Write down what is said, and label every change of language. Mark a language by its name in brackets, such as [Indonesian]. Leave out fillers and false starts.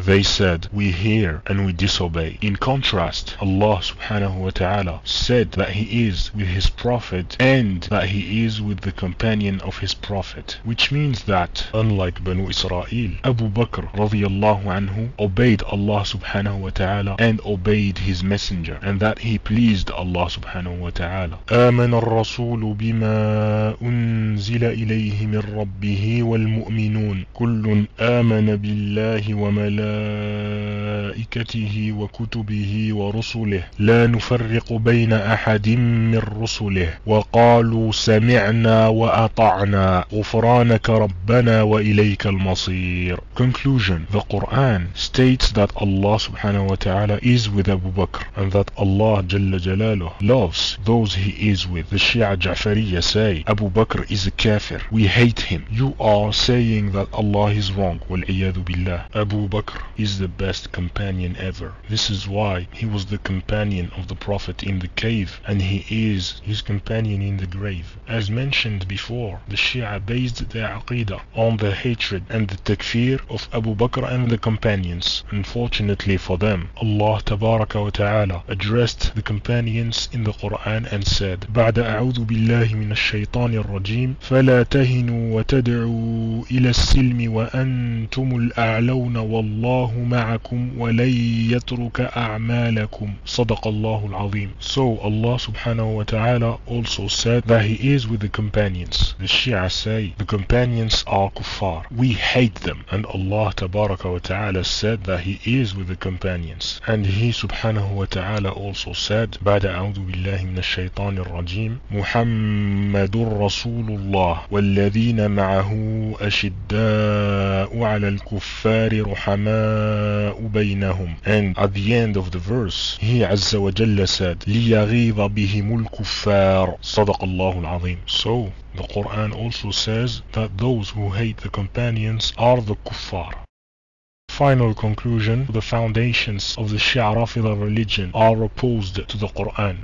[English] They said, we hear and we disobey. In contrast, Allah subhanahu wa ta'ala said that he is with his prophet and that he is with the companion of his prophet, which means that unlike Banu Israel, Abu Bakr radiyallahu anhu obeyed Allah subhanahu wa ta'ala and obeyed his messenger, and that he pleased Allah subhanahu wa ta'ala. [Arabic] آمن الرسول بما أنزل إليه من ربه والمؤمنون كل آمن بالله وملائكته وكتبه ورسله لا نفرق بين أحد من رسله وقالوا سمعنا وأطعنا غفرانك ربنا وإليك المصير. [English] Conclusion: the Quran states that Allah subhanahu wa ta'ala is with Abu Bakr and that Allah jalla jalaluh loves those he is with. The Shia Ja'fariya say Abu Bakr is a kafir, we hate him. You are saying that Allah is wrong. Wal'iyadu billah. Abu Bakr is the best companion ever. This is why he was the companion of the Prophet in the cave and he is his companion in the grave. As mentioned before, the Shia based their aqidah on the hatred and the takfir of Abu Bakr and the companions. Unfortunately for them, Allah tabaraka wa ta'ala addressed the companions in the Quran and said, [Arabic] بَعْدَ أَعُوذُ بِاللَّهِ مِنَ الشَّيْطَانِ الرَّجِيمِ فَلَا تَهِنُوا وَتَدْعُوا إِلَى السِّلْمِ وَأَنْتُمُ الْأَعْلَوْنَ وَاللَّهُ الله معكم ولن يترك أعمالكم. صدق الله العظيم. [English] So Allah subhanahu wa ta'ala also said that he is with the companions. The Shia say the companions are kuffar. We hate them. And Allah tabaraka wa ta'ala said that he is with the companions. And he subhanahu wa ta'ala also said [Arabic] بعد أعوذ بالله من الشيطان الرجيم محمد رسول الله والذين معه أشداء على الكفار رحماء بينهم. [English] And at the end of the verse he عز وجل said [Arabic] ليغيظ بهم الكفار. صدق الله العظيم. [English] So the Quran also says that those who hate the companions are the kuffar. Final conclusion, the foundations of the Shia Rafida religion are opposed to the Quran.